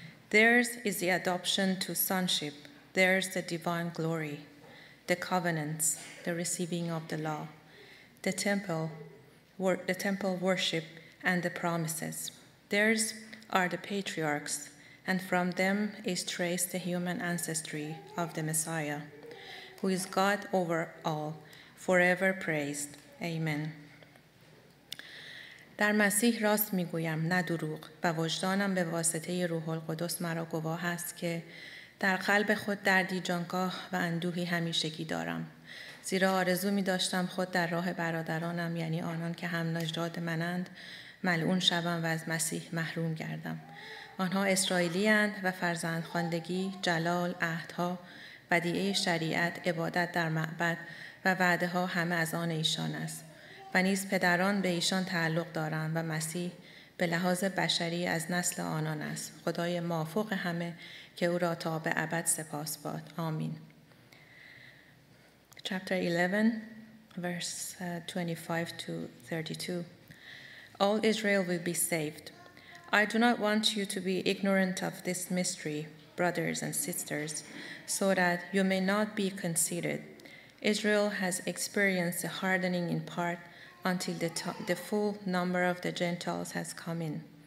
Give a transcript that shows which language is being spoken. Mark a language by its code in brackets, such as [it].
[en] Theirs is the adoption to sonship. Theirs the divine glory, the covenants, the receiving of the law, the temple worship, and the promises. Theirs are the patriarchs, and from them is traced the human ancestry of the Messiah, who is God over all, forever praised. Amen. [fa] در مسیح راست میگویم نه دروغ و وجدانم به واسطه روح القدس مرا گواه است که در قلب خود دردی جانکاه و اندوهی همیشگی دارم زیرا آرزو می داشتم خود در راه برادرانم یعنی آنان که هم نژاد منند ملعون شوم و از مسیح محروم گردم آنها اسرائیلی اند و فرزند خواندگی جلال عهدها بدیعه شریعت عبادت در معبد و وعده ها همه از آن ایشان است و نیز پدران به ایشان تعلق دارند و مسیح به لحاظ بشری از نسل آنان است خدای موافق همه که او را تا به ابد سپاس باد آمین [en] Chapter 11, verse 25 to 32. All Israel will be saved. I do not want you to be ignorant of this mystery, brothers and sisters, so that you may not be conceited. Israel has experienced a hardening in part until the full number of the Gentiles has come in.